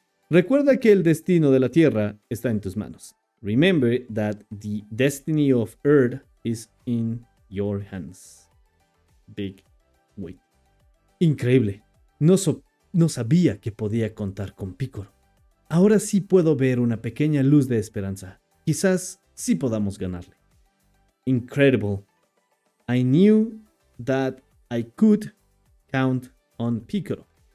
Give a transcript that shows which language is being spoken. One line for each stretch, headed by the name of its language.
Spanish: Recuerda que el destino de la Tierra está en tus manos.
English: Remember that the destiny of Earth is in your hands. Big weight.
Spanish: Increíble. No sabía que podía contar con Piccolo. Ahora sí puedo ver una pequeña luz de esperanza. Quizás sí podamos ganarle.
English: Incredible. I knew that I could count on Piccolo.